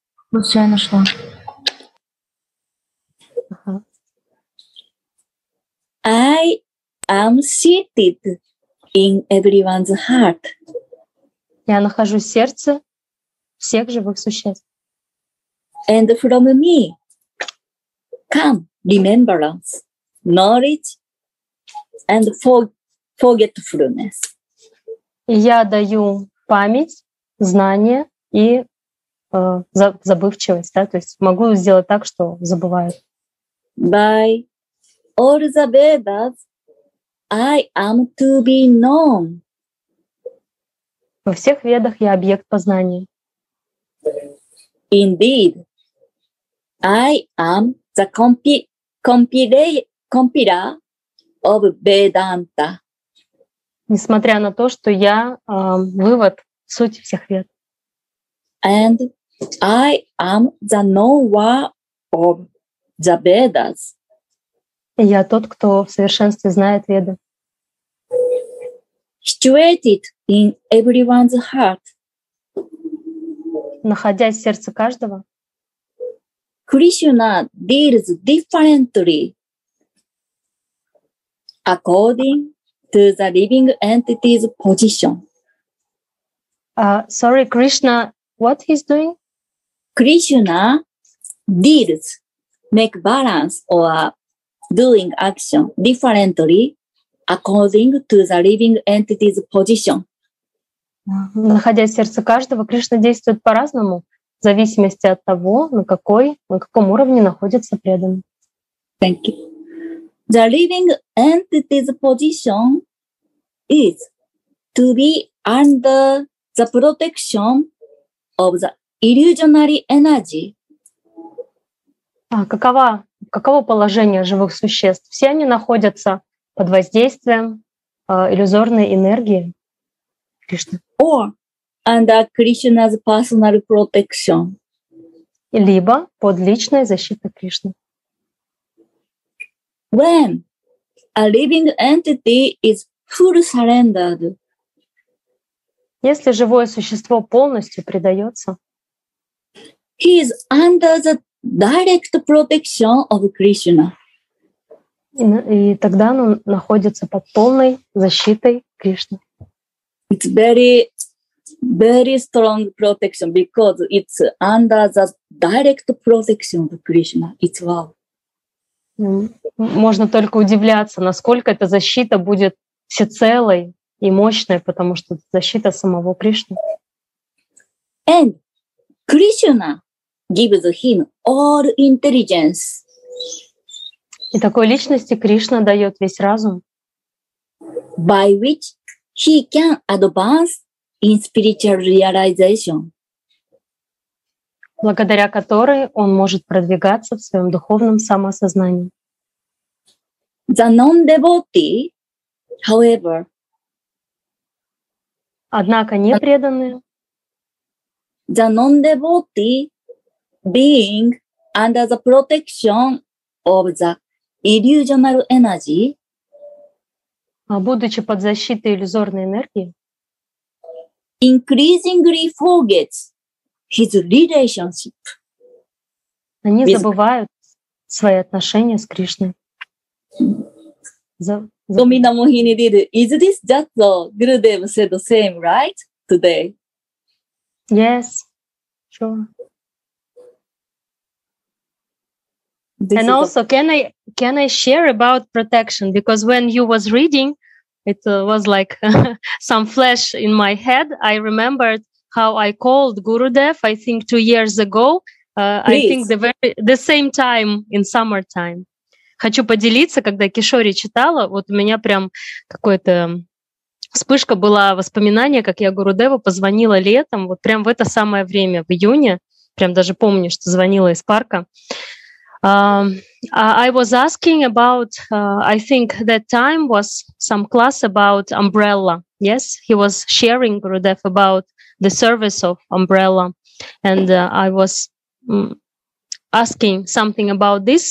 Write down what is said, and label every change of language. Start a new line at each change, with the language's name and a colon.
Russian: Вот все, я нашла.
English: I am seated in everyone's heart.
Russian: Я нахожусь в сердце всех живых существ.
English: And from me come remembrance, knowledge, and forgetfulness.
Russian: Я даю память, знания и забывчивость, да, то есть могу сделать так, что забывают.
English: By all the Vedas, I am to be known.
Russian: Во всех Ведах я объект познания.
English: Indeed, I am the compiler of Vedanta.
Russian: Несмотря на то, что я вывод сути всех Вед.
English: And I am the knower of the Vedas.
Russian: И я тот, кто в совершенстве знает Веды.
English: Situated in everyone's heart.
Russian: Находясь в сердце каждого.
English: Krishna deals differently according to the living entity's position. Sorry, Krishna, what he's doing? Krishna deals, make balance or doing action differently according to the living entity's position.
Russian: Находясь в сердце каждого, Кришна действует по-разному, в зависимости от того, на каком уровне находится преданный.
English: Thank you. The living entity's position is to be under the protection of the illusionary energy.
Russian: Каково положение живых существ? Все они находятся под воздействием иллюзорной энергии Кришны.
English: Or under Krishna's personal protection.
Russian: Либо под личной защитой Кришны.
English: When a living entity is fully surrendered.
Russian: Если живое существо полностью предается.
English: He is under the direct protection of Krishna.
Russian: И тогда оно находится под полной защитой Кришны.
English: It's very, very strong protection because it's under the direct protection of Krishna. It's wow.
Russian: Можно только удивляться, насколько эта защита будет всецелой и мощной, потому что это защита самого Кришны.
English: And Krishna gives him all intelligence.
Russian: И такой личности Кришна дает весь разум,
English: by which he can advance in spiritual realization.
Russian: Благодаря которой он может продвигаться в своем духовном самосознании.
English: The non-devotee, however,
Russian: однако не преданные,
English: the non-devotee being under the protection of the illusional energy,
Russian: будучи под защитой иллюзорной энергии,
English: increasingly forgets his relationship.
Russian: Они забывают свои отношения с Кришной.
English: Domina Mohini did. Is this just the Gurudev said the same, right? Today? Yes. Sure. This and also, can I share about protection? Because when you was reading, It was like some flash in my head. I remembered how I called Gurudev, I think 2 years ago. I think the same time in summertime.
Russian: Хочу поделиться, когда Кишори читала, вот у меня прям какое-то... Вспышка была воспоминание, как я Гурудеву позвонила летом, вот прям в это самое время, в июне. Прям даже помню, что звонила из парка.
English: I was asking about, I think that time was some class about umbrella. Yes, he was sharing, Gurudev, about the service of umbrella. And I was asking something about this.